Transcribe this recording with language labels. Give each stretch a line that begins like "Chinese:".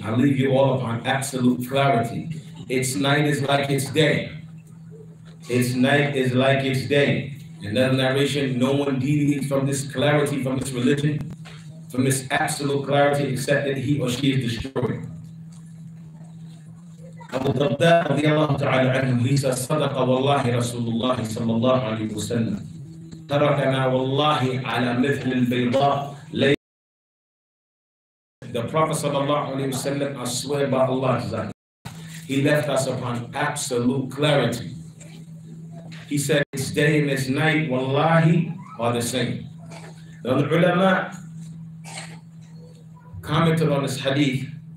English: I leave you all upon absolute clarity. It's night is like it's day. It's night is like it's day. Another narration, no one deviates from this clarity, from this religion, from this absolute clarity, except that he or she is destroyed.
Arabic: Abu Darda رضي الله تعالى عنه ليس صدق والله رسول الله صلى الله عليه وسلم تركنا والله على مثل البيضاء.
English: The Prophet صلى الله عليه وسلم, I swear by Allah, he left us upon absolute clarity. He said, "It's day and it's night, wallahi, are the same." The ulama commented on this hadith.